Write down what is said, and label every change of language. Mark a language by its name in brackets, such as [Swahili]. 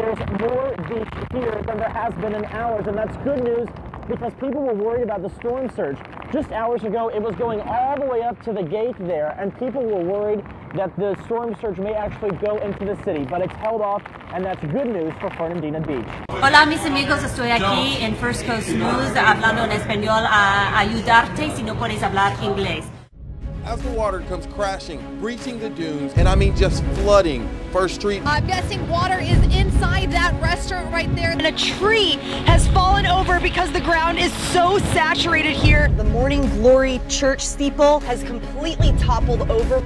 [English] There's more beach here than there has been in hours, and that's good news because people were worried about the storm surge. Just hours ago, it was going all the way up to the gate there, and people were worried that the storm surge may actually go into the city, but it's held off, and that's good news for Fernandina Beach. [Spanish] Hola, mis amigos, estoy aquí en First Coast News, hablando en español a ayudarte si no puedes hablar inglés. [English] As the water comes crashing, breaching the dunes, and I mean just flooding First Street. I'm guessing water is inside that restaurant right there. And a tree has fallen over because the ground is so saturated here. The Morning Glory Church steeple has completely toppled over.